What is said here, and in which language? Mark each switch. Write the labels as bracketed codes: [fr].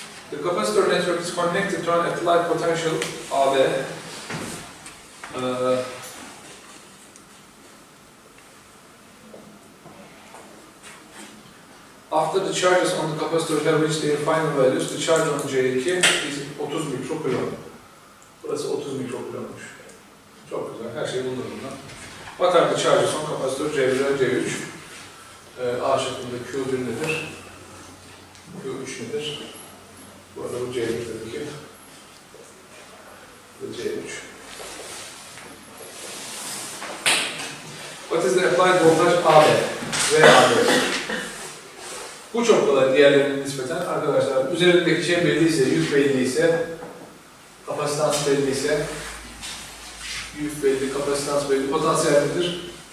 [en] The capacitor network is connected to an applied potential AB. After the charges on the capacitor have reached their final values, the charge on J2 is 30 mikrokulomb. [tr] Burası 30 mikrokulombmuş. Çok güzel. Her şeyi bulundur burada. [en] What are the charges on capacitor J1 ve J3? [tr] A şeklinde Q1 nedir? Q3 nedir? Bu arada bu C3 dedi ki. Bu C3. [en] What is the applied voltage AB? VAB. [tr] Bu çok kolay diğerlerine nispeten. Arkadaşlar üzerindeki şey belliyse, yük belliyse, kapasitans belliyse, yük belli, kapasitans belli, potansiyel nedir?